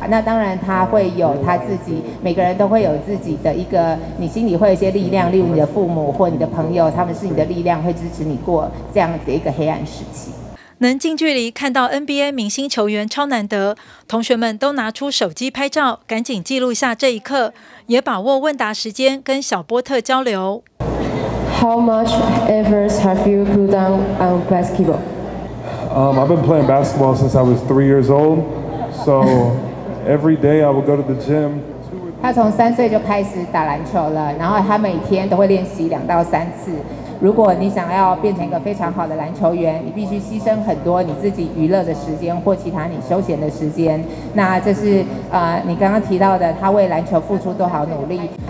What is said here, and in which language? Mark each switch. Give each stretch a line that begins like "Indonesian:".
Chinese: 那当然他会有他自己，每个人都会有自己的一个，你心里会有一些力量，例如你的父母或你的朋友，他们是你的力量，会支持你过这样子一个黑暗时期。能近距离看到 NBA 明星球员超难得，同学们都拿出手机拍照，赶紧记录下这一刻，也把握问答时间跟小波特交流。
English: How much efforts have you put down on basketball? I've been playing basketball since I was 3 years old, so every day I would go to the gym.
Chinese: 他从三岁就开始打篮球了，然后他每天都会练习2到3次。如果你想要变成一个非常好的篮球员，你必须牺牲很多你自己娱乐的时间或其他你休闲的时间。那这是你刚刚提到的，他为篮球付出多少努力。